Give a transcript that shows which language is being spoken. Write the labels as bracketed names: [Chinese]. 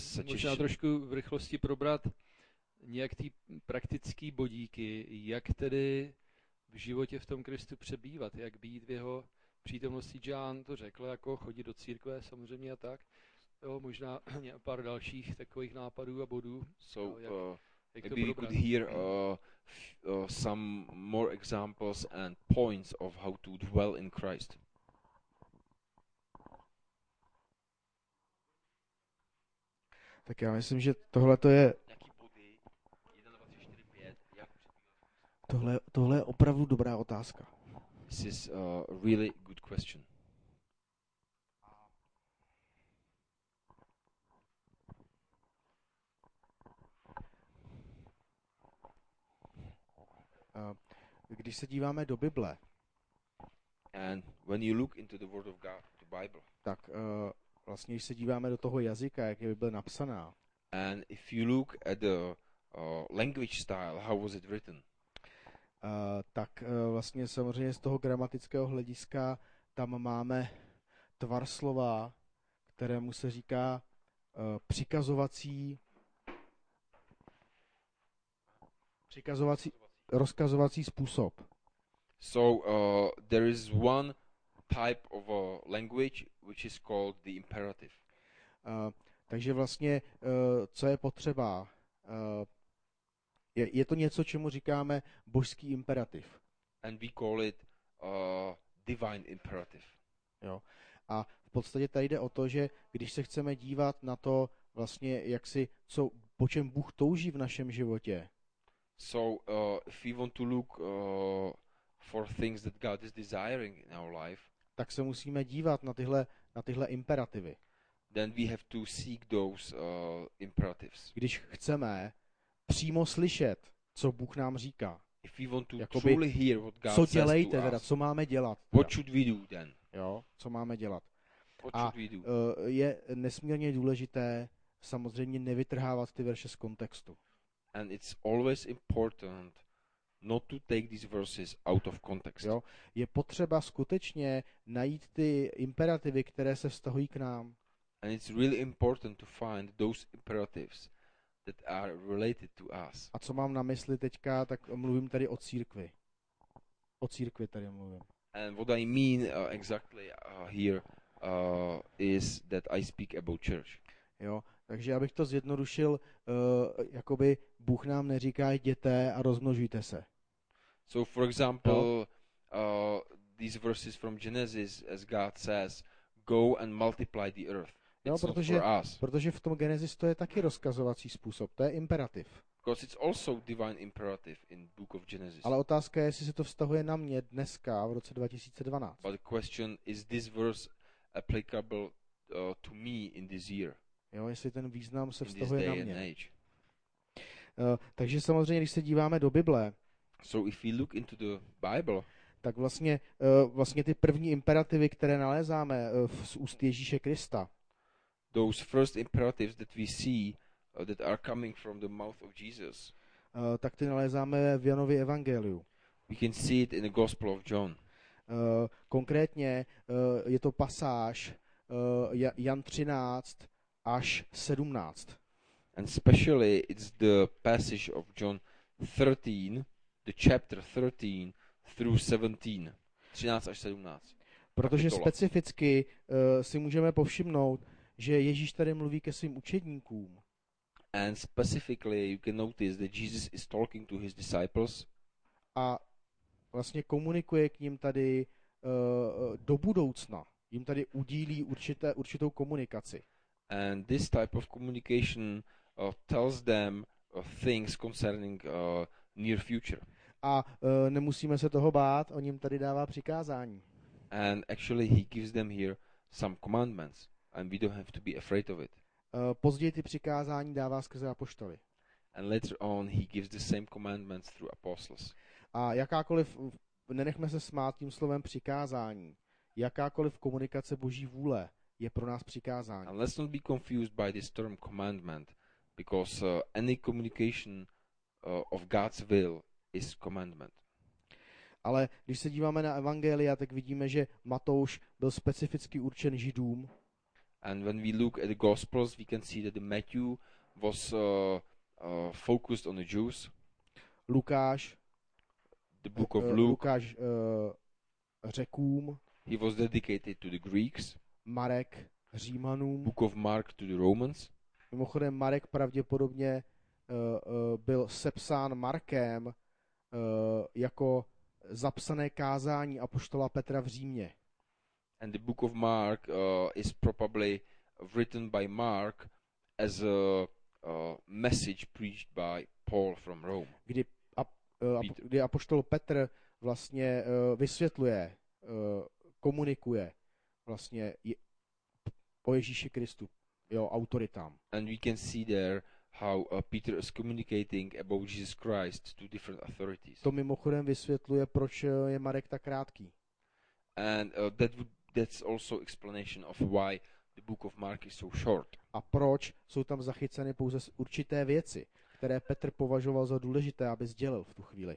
[Czech] Možná trošku v rychlosti probrat nějak ty praktický bodíky, jak tedy v životě v tom Kristu přebývat, jak být v jeho přítomnosti. John to řekl, jako chodit do církve samozřejmě a tak. Jo, možná pár dalších takových nápadů a bodů. [English] So, [Czech] jak [English] maybe we could hear some more examples and points of how to dwell in Christ. [Czech] Tak já myslím, že tohle to je. Tohle je opravdu dobrá otázka. [English] This is a really good question. [Czech] Když se díváme do Bible. [English] And when you look into the word of God, the Bible. [Czech] Tak vlastně když se díváme do toho jazyka, jak je Bible napsaná. [English] And if you look at the language style, how was it written? [Czech] Tak vlastně samozřejmě z toho gramatického hlediska tam máme tvar slova, kterému se říká přikazovací rozkazovací způsob. [English] So there is one type of a language which is called the imperative. [Czech] Takže vlastně co je potřeba? Je to něco, čemu říkáme božský imperativ. [English] And we call it divine imperative. [Czech] Jo. A v podstatě tady jde o to, že když se chceme dívat na to vlastně jak si co po čem Bůh touží v našem životě. [English] So if we want to look for things that God is desiring in our life, [Czech] tak se musíme dívat na tyhle imperativy. [English] Then we have to seek those imperatives. [Czech] Když chceme přímo slyšet, co Bůh nám říká. [English] If we want to [Czech] jakoby, [English] truly hear what God [Czech] co dělejte, teda, co máme dělat. [English] What should we do then? [Czech] Jo, co máme dělat. [English] What should we do? [Czech] Je nesmírně důležité samozřejmě nevytrhávat ty verše z kontextu. [English] And it's always important not to take these verses out of context. [Czech] Jo, je potřeba skutečně najít ty imperativy, které se vztahují k nám. [English] And it's really important to find those imperatives that are related to us. [Czech] A co mám na mysli teďka, tak mluvím tady o církvi. O církvi tady mluvím. [English] And what I mean exactly here is that I speak about church. [Czech] Jo. Takže abych to zjednodušil, jakoby Bůh nám neříká jděte a rozmnožujte se. [English] So for example, these verses from Genesis, as God says, go and multiply the earth. [Czech] No, protože v tom Genesis to je taky rozkazovací způsob, to je imperativ. [English] Because it's also divine imperative in Book of Genesis. [Czech] Ale otázka je, jestli se to vztahuje na mě dneska v roce 2012. [English] But the question is this verse applicable to me in this year? [Czech] Jo, jestli ten význam se vztahuje na mě. Takže samozřejmě, když se díváme do Bible, [English] so if we look into the Bible, [Czech] tak vlastně, vlastně ty první imperativy, které nalézáme z úst Ježíše Krista, [English] those first imperatives that we see that are coming from the mouth of Jesus, [Czech] tak ty nalézáme v Janově evangeliu. [English] We can see it in the Gospel of John. [Czech] Konkrétně je to pasáž Jan 13, až 17. [English] And especially it's the passage of John 13, the chapter 13 through 17. [Czech] 13 až 17. Protože kapitola. Specificky si můžeme povšimnout, že Ježíš tady mluví ke svým učedníkům. [English] And specifically you can notice that Jesus is talking to his disciples. [Czech] A vlastně komunikuje k ním tady do budoucna. Jim tady udílí určitou komunikaci. [English] And this type of communication tells them things concerning near future. [Czech] A nemusíme se toho bát, on jim tady dává přikázání. [English] And actually he gives them here some commandments and we don't have to be afraid of it. [Czech] Později ty přikázání dává skrze apoštoly. [English] And later on he gives the same commandments through apostles. [Czech] A jakákoliv, nenechme se smát tím slovem přikázání, jakákoliv komunikace Boží vůle, je pro nás přikázání. [English] And let's not be confused by this term commandment, because any communication of God's will is commandment. [Czech] Ale když se díváme na evangelia, tak vidíme, že Matouš byl specificky určen Židům. [English] And when we look at the Gospels, we can see that Matthew was focused on the Jews. [Czech] Lukáš. [English] The book of Luke. [Czech] Lukáš Řekům. [English] He was dedicated to the Greeks. [Czech] Marek Římanům. [English] Book of Mark to the Romans. [Czech] Mimochodem Marek pravděpodobně byl sepsán Markem jako zapsané kázání apoštola Petra v Římě. [English] And the book of Mark is probably written by Mark as a message preached by Paul from Rome. [Czech] Kdy apoštol Petr vlastně vysvětluje, komunikuje vlastně o Ježíši Kristu, jo, autoritám. [English] And we can see there how Peter is communicating about Jesus Christ to different authorities. [Czech] To mimochodem vysvětluje, proč je Marek tak krátký. [English] And that's also explanation of why the book of Mark is so short. [Czech] A proč jsou tam zachyceny pouze určité věci, které Petr považoval za důležité, aby sdělil v tu chvíli.